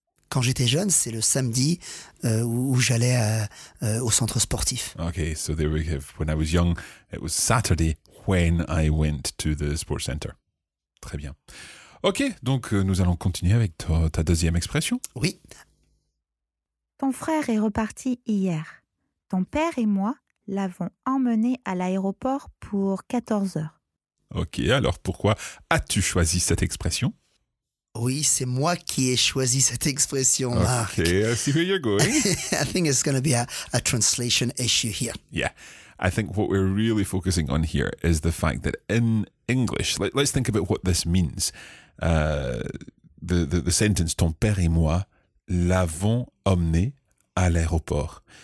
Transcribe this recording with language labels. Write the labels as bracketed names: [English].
[French] Quand j'étais jeune, c'est le samedi où j'allais au centre sportif. [English] Okay, so there we have. When I was young, it was Saturday when I went to the sports center. [French] Très bien. Ok, donc nous allons continuer avec ta deuxième expression. Oui. Ton frère est reparti hier. Ton père et moi l'avons emmené à l'aéroport pour 14 heures. Ok, alors pourquoi as-tu choisi cette expression? Oui, c'est moi qui ai choisi cette expression, Marc. [English] Ok, I see where you're going. I think it's going to be a translation issue here. Yeah. I think what we're really focusing on here is the fact that in English, let's think about what this means. The sentence, [French] ton père et moi l'avons emmené à l'aéroport.